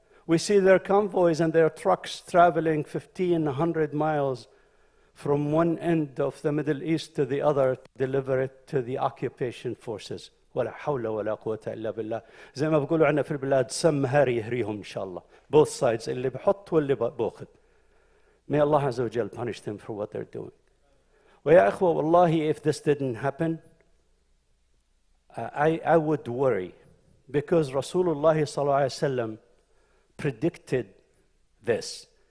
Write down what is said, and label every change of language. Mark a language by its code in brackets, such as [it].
[en] We see their convoys and their trucks traveling 1,500 miles from one end of the Middle East to the other to deliver it to the occupation forces. [ar] وَلَا حَوْلَ وَلَا قُوَةَ إِلَّا بِاللَّهِ زي ما بقولوا عنا في البلاد سم هاري هريهم إن شاء الله. [en] Both sides, [ar] اللي بحط واللي بأخذ. [en] May Allah Azza wa Jal punish them for what they're doing. [ar] وَيَا إِخْوَةَ وَاللَّهِ [en] if this didn't happen, I would worry. Because Rasulullah sallallahu alayhi wa sallam predicted this.